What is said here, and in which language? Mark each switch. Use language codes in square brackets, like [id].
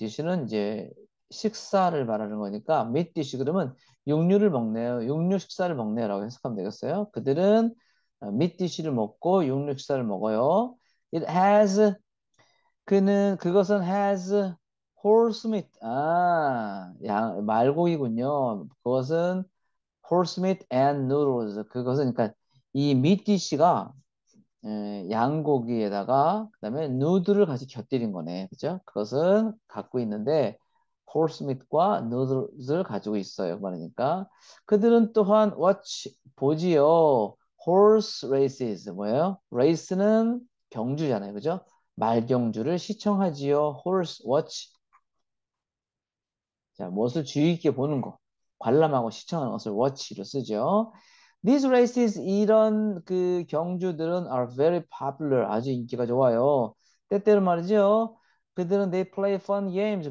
[ko] 디시는 이제 식사를 말하는 거니까 meat dish 그러면 육류를 먹네요. 육류 식사를 먹네요라고 해석하면 되겠어요. 그들은 meat dish를 먹고 육류 식사를 먹어요. [en] It has [ko] 그것은 [en] has horse meat. [ko] 아, 양 말고기군요. 그것은 [en] horse meat and noodles. [ko] 그것은 그러니까 이 meat dish가 양고기에다가 그다음에 누들을 같이 곁들인 거네. 그죠? 그것은 갖고 있는데 horse meat과 noodles를 가지고 있어요. 그러니까 그들은 또한 watch 보지요. horse races 뭐예요? race는 경주잖아요. 그죠? 말 경주를 시청하지요. horse watch. 자, 무엇을 주의 깊게 보는 거. 관람하고 시청하는 것을 watch로 쓰죠. [en] These races [ko] 이런 그 경주들은 [en] are very popular. [ko] 아주 인기가 좋아요. 때때로 말이죠. 그들은 [en] they play fun games.